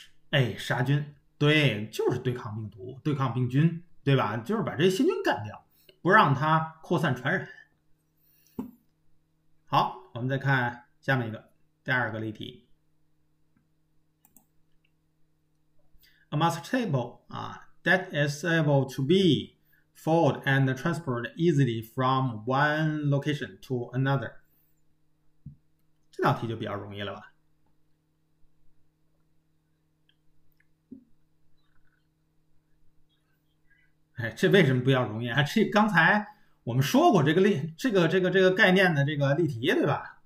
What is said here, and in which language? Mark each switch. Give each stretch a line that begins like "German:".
Chinese: 哎，杀菌，对，就是对抗病毒，对抗病菌，对吧？就是把这些细菌干掉，不让它扩散传染。好，我们再看下面一个，第二个例题。
English: A mass table 啊，that is able to be folded and transported easily from one location to another。
Chinese: 这道题就比较容易了吧？哎，这为什么不要容易啊？这刚才我们说过这个例，这个概念的这个例题，对吧？